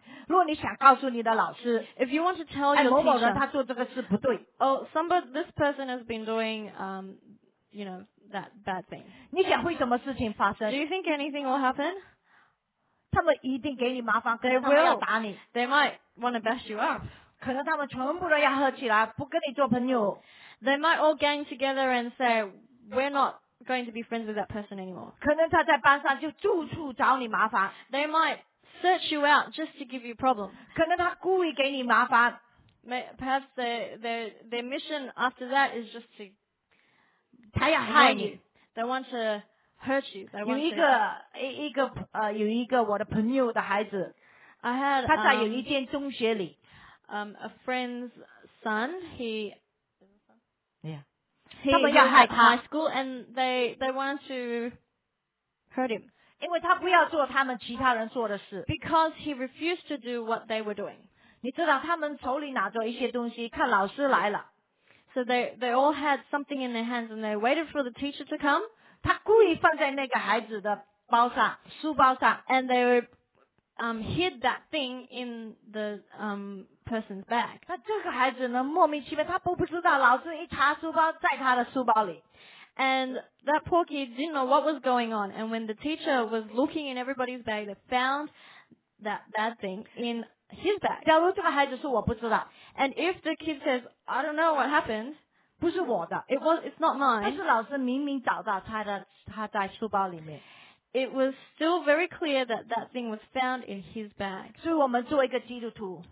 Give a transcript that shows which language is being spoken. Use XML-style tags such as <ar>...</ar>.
<zh>如果你想告诉你的老师</zh> <en>，If you want to tell your teacher，</en> <zh>哎，某某人他做这个事不对。</zh> <en>Oh, somebody, this person has been doing, you know, that bad thing。</en> <zh>你想会什么事情发生</zh> <en>？Do you think anything will happen？</en> <zh>他们一定给你麻烦，可能他们要打你。</zh> <en>They might want to bash you up。</en> <zh>可能他们全部都要喝起来，不跟你做朋友。</zh> <en>They might all gang together and say we're not going to be friends with that person anymore。</en> <zh>可能他在班上就处处找你麻烦。</zh> <en>They might。 Search you out just to give you problems.</en> <zh>可能他故意给你麻烦。</zh> <en>Perhaps their mission after that is just to</en> <zh>他要害你。</zh> <en>They want to hurt you.</en> <zh>有一个有一个我的朋友的孩子。</zh> <en>I had</en> <zh>他在有一间中学里。</zh> <en>A friend's son. He Yeah. He was at high school and they want to hurt him.</en> <zh>因为他不要做他们其他人做的事。</zh> <en>Because he refused to do what they were doing.</en> <zh>你知道他们手里拿着一些东西看老师来了。</zh> <en>So they all had something in their hands and they waited for the teacher to come.</en> <zh>他故意放在那个孩子的包上书包上。</zh> <en>And they were,hid that thing in the, person's bag.</en> <zh>那这个孩子呢莫名其妙他都不知道老师一查书包在他的书包里。</zh> <en>And that poor kid didn't know what was going on. And when the teacher was looking in everybody's bag, they found that thing in his bag.</en> <zh>假如这个孩子说我不知道。</zh> <en>And if the kid says, I don't know what happened,</en> <zh>不是我的。</zh> <en>It's not mine.</en> <zh>但是老师明明找到他在书包里面。</zh> <en>It was still very clear that thing was found in his bag.</en> <zh>所以我们做一个基督徒。</zh>